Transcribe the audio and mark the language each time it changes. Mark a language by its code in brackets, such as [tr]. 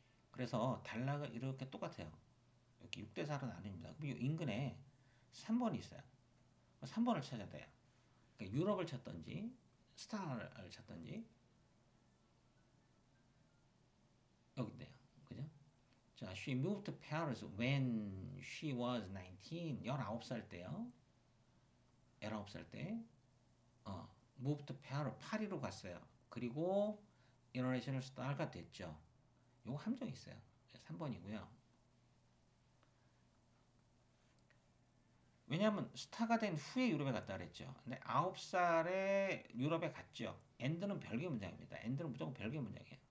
[ko] 그래서 단락은 이렇게 똑같아요. 이렇게 6대 4로 나뉩니다. 그럼 이 인근에 3번이 있어요. 3번을 찾아야 돼요. 그러니까 유럽을 찾던지 스타를 찾던지 여기네요. 그죠? [en] 자, she moved to Paris when she was 19. [ko] 19살 때요. 19살 때. [en] moved to Paris, [ko] 파리로 갔어요. 그리고 international star가 됐죠. 요거 함정 있어요. 3번이고요. 왜냐하면 스타가 된 후에 유럽에 갔다 그랬죠. 근데 9살에 유럽에 갔죠. 엔드는 별개 문장입니다. 엔드는 무조건 별개 문장이에요.